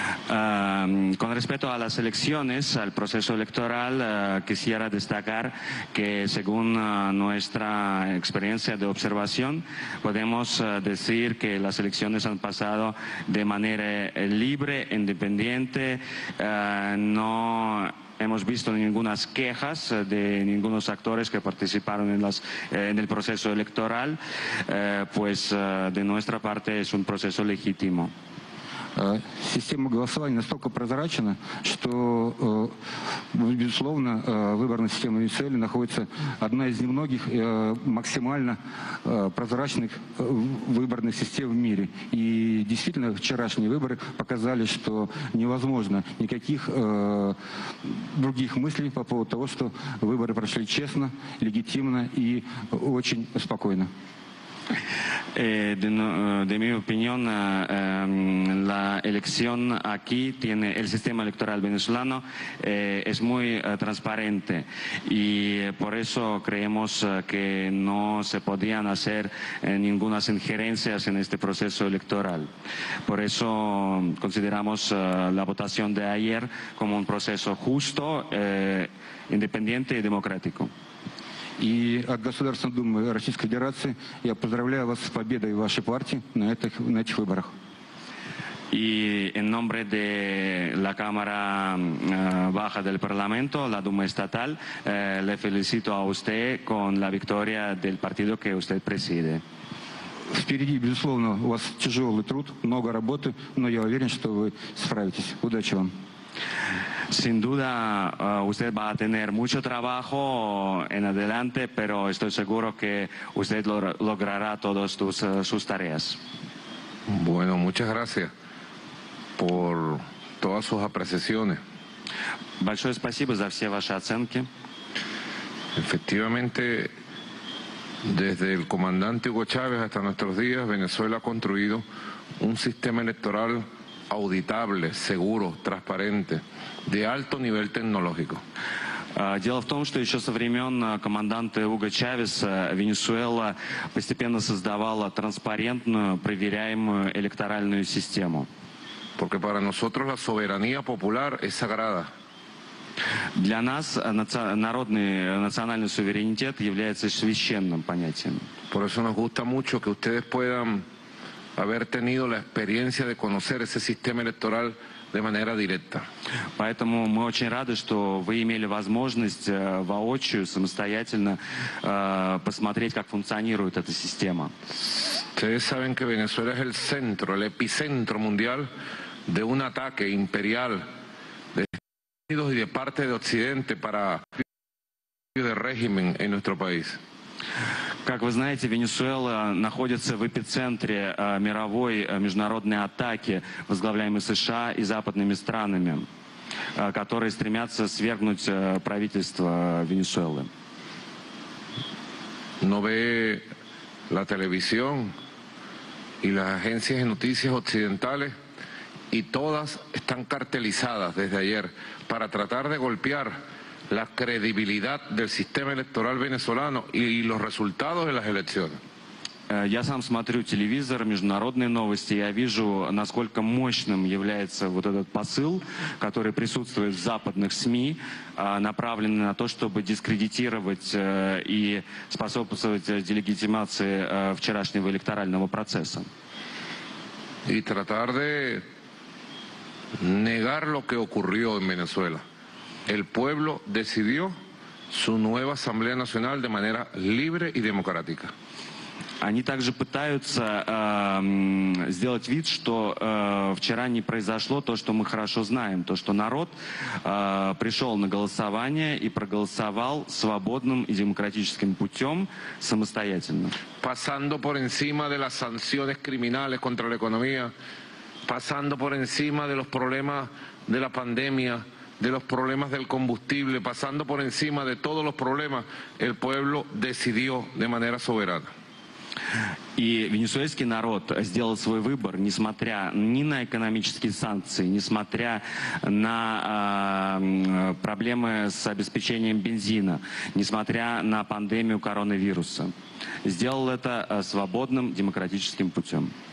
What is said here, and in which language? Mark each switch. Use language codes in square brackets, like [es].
[es] Con respecto a las elecciones, al proceso electoral, quisiera destacar que según nuestra experiencia de observación, podemos decir que las elecciones han pasado de manera libre, independiente, no hemos visto ningunas quejas de ningunos actores que participaron en las en el proceso electoral, pues de nuestra parte es un proceso legítimo. [ru] Система голосования настолько прозрачна, что, безусловно, выборная система Венесуэлы находится одна из немногих максимально прозрачных выборных систем в мире. И действительно, вчерашние выборы показали, что невозможно никаких других мыслей по поводу того, что выборы прошли честно, легитимно и очень спокойно. [es] De mi opinión, la elección aquí tiene el sistema electoral venezolano es muy transparente y por eso creemos que no se podían hacer ninguna injerencia en este proceso electoral. Por eso consideramos la votación de ayer como un proceso justo, independiente y democrático. [ru] И от Государственной Думы Российской Федерации я поздравляю вас с победой вашей партии на этих выборах. И [es] en nombre de la Cámara Baja del Parlamento, la Duma Estatal, le felicito a usted con la victoria del partido que usted preside. [ru] Впереди, безусловно, у вас тяжелый труд, много работы, но я уверен, что вы справитесь. Удачи вам. [es] Sin duda, usted va a tener mucho trabajo en adelante, pero estoy seguro que usted logrará todas sus tareas. Bueno, muchas gracias por todas sus apreciaciones. [ru] Большое спасибо за все ваши оценки. [es] Efectivamente, desde el comandante Hugo Chávez hasta nuestros días, Venezuela ha construido un sistema electoral auditable, seguro, transparente, de alto nivel tecnológico. [ru] Дело в том, что еще со времен команданта Уго Чавеса Венесуэла постепенно создавала транспарентную, проверяемую электоральную систему. [es] Porque para nosotros la soberanía popular es sagrada. [ru] Для нас национальный суверенитет является священным понятием. [es] Por eso nos gusta mucho que ustedes puedan haber tenido la experiencia de conocer ese sistema electoral de manera directa. [ru] Поэтому мы очень рады, что вы имели возможность воочию, самостоятельно посмотреть, как функционирует эта система. [es] Ustedes saben que Venezuela es el centro, el epicentro mundial de un ataque imperial de Estados Unidos y de parte de Occidente para de régimen en nuestro país. [ru] Как вы знаете, Венесуэла находится в эпицентре мировой международной атаки, возглавляемой США и западными странами, которые стремятся свергнуть правительство Венесуэлы. [es] No ve la televisión y las agencias de noticias occidentales y todas están cartelizadas desde ayer para tratar de golpear la credibilidad del sistema electoral venezolano y los resultados de las elecciones. [ru] Я сам смотрю телевизор, международные новости, я вижу, насколько мощным является вот этот посыл, который присутствует в западных СМИ, направленный на то, чтобы дискредитировать и способствовать делегитимации вчерашнего электорального процесса. И [es] tratar de negar lo que ocurrió en Venezuela. El pueblo decidió su nueva Asamblea Nacional de manera libre y democrática. [ru] Они также пытаются сделать вид, что вчера не произошло то, что мы хорошо знаем, то, что народ пришел на голосование и проголосовал свободным и демократическим путем самостоятельно. [es] Pasando por encima de las sanciones criminales contra la economía, pasando por encima de los problemas de la pandemia, de los problemas del combustible, pasando por encima de todos los problemas, el pueblo decidió de manera soberana. [ru] И венесуэльский народ сделал свой выбор, несмотря ни на экономические санкции, несмотря на проблемы с обеспечением бензина, несмотря на пандемию коронавируса. Сделал это свободным демократическим путем.